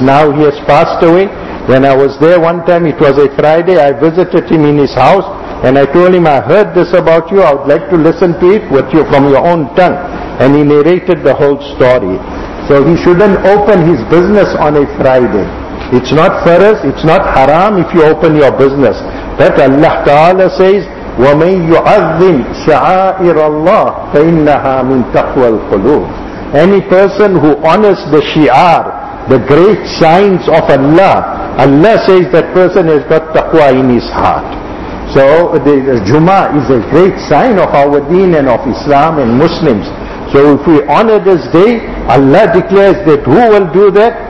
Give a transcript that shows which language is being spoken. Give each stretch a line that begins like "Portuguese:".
English: Now he has passed away. When I was there one time, it was a Friday, I visited him in his house, and I told him, I heard this about you, I would like to listen to it with you from your own tongue. And he narrated the whole story. So he shouldn't open his business on a Friday. It's not faras, it's not haram if you open your business.
Arabic: But Allah Ta'ala says, وَمَنْ يُعَذِّمْ شَعَائِرَ اللَّهِ فَإِنَّهَا مِنْ تَقْوَى الْقُلُوبِ.
English: Any person who honors the shi'ar, the great signs of Allah, Allah says that person has got taqwa in his heart. So the Jummah is a great sign of our deen and of Islam and Muslims. So if we honor this day, Allah declares that who will do that?